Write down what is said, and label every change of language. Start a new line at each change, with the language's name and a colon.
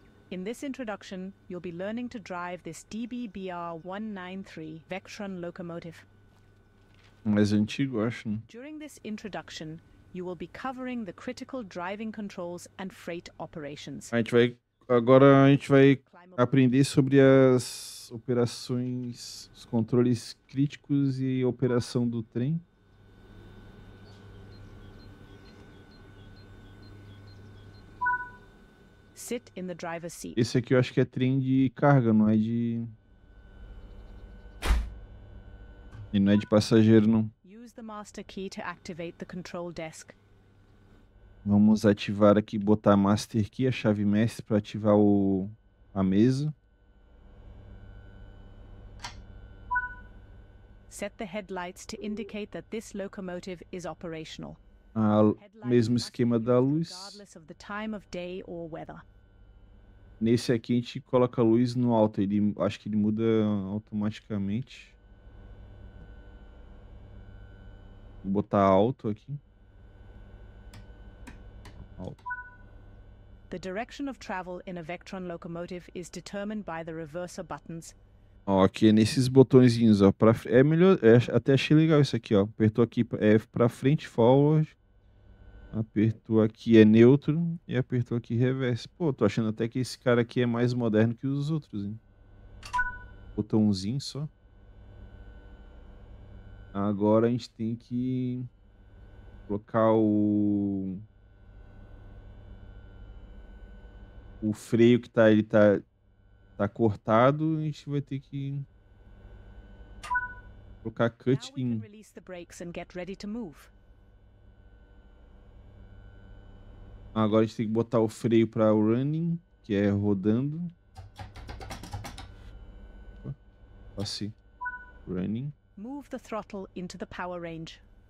English: In this introduction, you'll be learning to drive this DBBR-193 Vectron locomotive.
Portuguese: Mais antigo, acho.
English: During this introduction, you will be covering the critical driving controls and freight operations.
Portuguese: Agora a gente vai aprender sobre as operações, os controles críticos e operação do trem.
English: Sit in the driver's seat.
Portuguese: Esse aqui eu acho que é trem de carga, não é de... E não é de passageiro, não.
English: Use the master key to activate the control desk.
Portuguese: Vamos ativar aqui, botar a master key, a chave mestre, para ativar a mesa.
English: Set the headlights to indicate that this locomotive is operational.
Portuguese: Mesmo esquema da luz.
English: Regardless of the time of day or weather.
Portuguese: Nesse aqui a gente coloca a luz no alto, ele acho que ele muda automaticamente. Vou botar alto aqui.
English: The direction of travel in a Vectron locomotive is determined by the reverser buttons.
Portuguese: Ó, aqui nesses botõezinhos, ó, para é melhor, é, até achei legal isso aqui, ó. Apertou aqui é para frente, forward. Apertou aqui é neutro e apertou aqui reverse. Pô, tô achando até que esse cara aqui é mais moderno que os outros, hein? Botãozinho só. Agora a gente tem que colocar o freio que tá, ele tá cortado, a gente vai ter que colocar cut in.
English: Now we can release the brakes and get ready to move.
Portuguese: Agora a gente tem que botar o freio para running, que é rodando. Assim. Running.
English: Move the throttle into the power range.